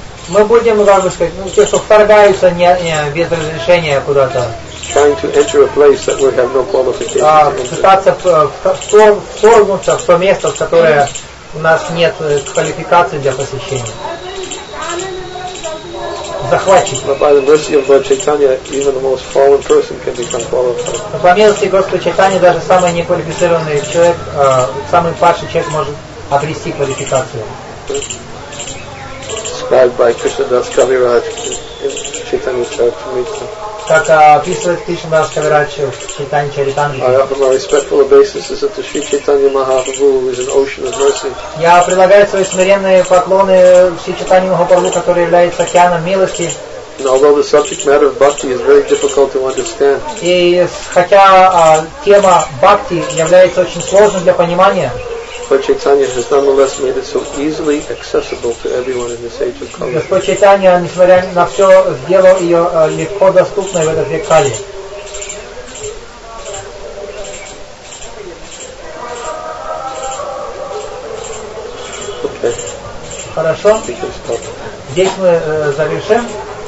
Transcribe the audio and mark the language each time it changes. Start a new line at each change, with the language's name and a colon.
Russian: Мы будем, как бы сказать, ну, те, что вторгаются без разрешения куда-то.
English: Trying to enter a place that we have no qualification.
Russian: Пытаться вторгнуться в то место, в которое у нас нет квалификации для посещения.
English: But by the mercy of Lord Chaitanya, even the most fallen person can become qualified.
Russian: По милости Господа Чайтани даже самый неквалифицированный человек, самый падший человек может обрести квалификацию.
English: Described by Krishna Das Kaviraj in Chaitanya Charitamrita.
Russian: Как описывает Кришна Дас Кавирадж в Чайтани Чаритамрите.
English: I offer my respectful obeisances to Sri Chaitanya Mahaprabhu, who is an ocean of mercy.
Russian: Я предлагаю свои смиренные поклоны Sri Chaitanya Mahaprabhu, который является океаном милости.
English: And although the subject matter of bhakti is very difficult to understand.
Russian: И хотя тема бхакти является очень сложной для понимания.
English: But Chaitanya has nonetheless made it so easily accessible to everyone in this age of Kali.
Russian: Господь Чайтанья, несмотря на все, сделал ее легко доступной в этот век Кали.
English: Okay.
Russian: Хорошо. Здесь мы завершим.